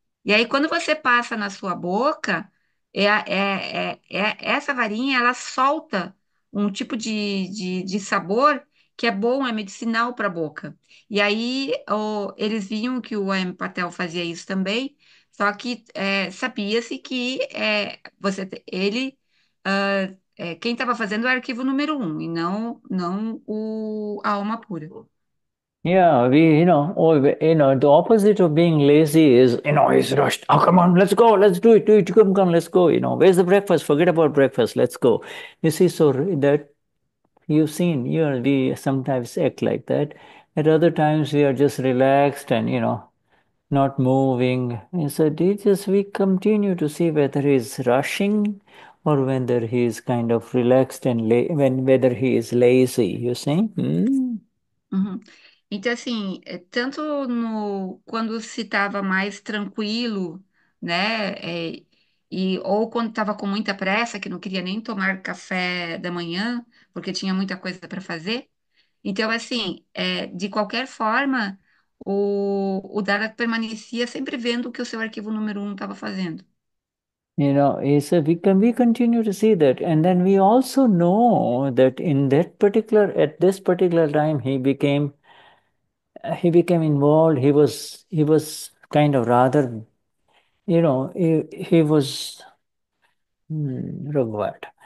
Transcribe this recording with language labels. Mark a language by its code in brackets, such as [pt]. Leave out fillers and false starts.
[pt] E aí, quando você passa na sua boca, essa varinha, ela solta um tipo de sabor que é bom, é medicinal para a boca. E aí, eles viam que o A.M. Patel fazia isso também, só que sabia-se que ele Quem estava fazendo o arquivo número 1 e não a alma pura. [en] Yeah, the opposite of being lazy is, it's rushed. Oh, come on, let's go, let's do it, do it. Come, let's go. Where's the breakfast? Forget about breakfast, let's go. You see, so that you've seen, we sometimes act like that. At other times, we are just relaxed and, not moving. And so we continue to see whether he's rushing or whether he's kind of relaxed and la when whether he is lazy, you see? [pt] Então, assim, tanto no quando se estava mais tranquilo, né, ou quando estava com muita pressa, que não queria nem tomar café da manhã, porque tinha muita coisa para fazer. Então, assim, de qualquer forma, o Dada permanecia sempre vendo o que o seu arquivo número 1 estava fazendo. [en] We continue to see that, and then we also know that in that particular at this particular time he became involved. He was kind of rather, he was what?